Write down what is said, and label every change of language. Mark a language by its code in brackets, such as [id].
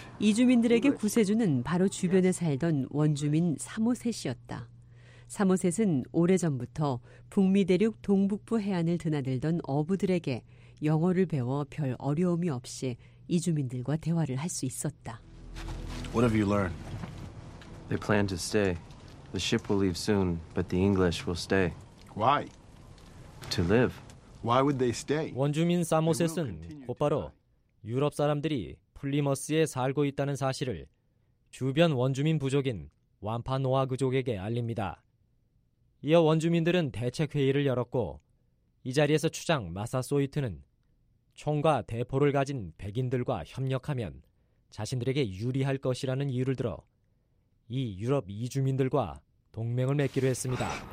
[ko] 이주민들에게 구세주는 바로 주변에 살던 원주민 사모셋이었다. 사모셋은 오래전부터 북미 대륙 동북부 해안을 드나들던 어부들에게 영어를 배워 별 어려움이 없이 이주민들과 대화를 할 수 있었다. [en] What have you learned? They plan to stay. The ship will leave soon, but the English will stay. Why? To live. Why would they stay? [ko] 원주민 사모셋은 곧바로 유럽 사람들이 플리머스에 살고 있다는 사실을 주변 원주민 부족인 완파노아그족에게 알립니다. 이어 원주민들은 대책 회의를 열었고 이 자리에서 추장 마사소이트는 총과 대포를 가진 백인들과 협력하면 자신들에게 유리할 것이라는 이유를 들어 이 유럽 이주민들과 동맹을 맺기로 했습니다.